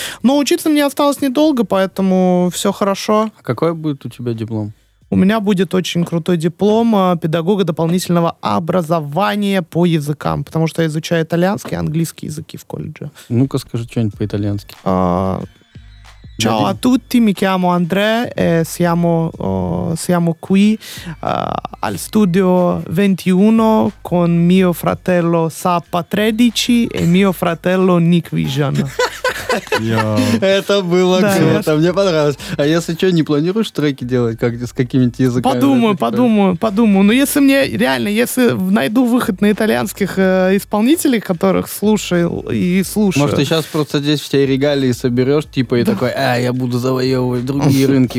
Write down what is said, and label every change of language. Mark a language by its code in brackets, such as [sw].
[ru] Но учиться мне осталось недолго, поэтому все хорошо. А какой будет у тебя диплом? У меня будет очень крутой диплом педагога дополнительного образования по языкам, потому что я изучаю итальянский и английский языки в колледже. Ну-ка скажи что-нибудь по-итальянски. [it] Ciao a tutti, mi chiamo Andrea e siamo qui al studio 21 con mio fratello Sappa 13 e mio fratello Nick Vision. [ru] Это было круто, мне понравилось. А если что, не планируешь треки делать как с какими-то языками? Подумаю. Но если мне реально, если найду выход на итальянских исполнителей, которых слушаю. Может, ты сейчас просто здесь все регалии соберешь, типа, и такой, я буду завоевывать другие рынки.